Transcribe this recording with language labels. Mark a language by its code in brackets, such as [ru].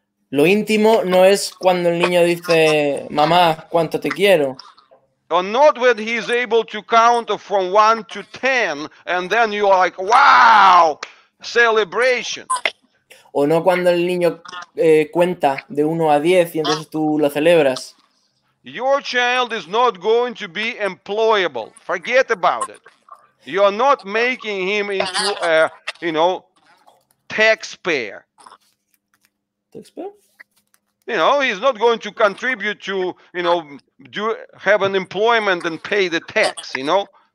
[es] Lo íntimo no es cuando el niño dice, mamá, cuánto te quiero. [en] Or not when he's able to count from 1 to 10 and then you're like, wow, celebration. [es] O no cuando el niño cuenta de 1 a 10 y entonces tú lo celebras. [en] Your child is not going to be employable. Forget about it. You are not making him into a, you know, taxpayer. Taxpayer? You know, he's not going to contribute to, you know, do have an employment and pay the tax, you know?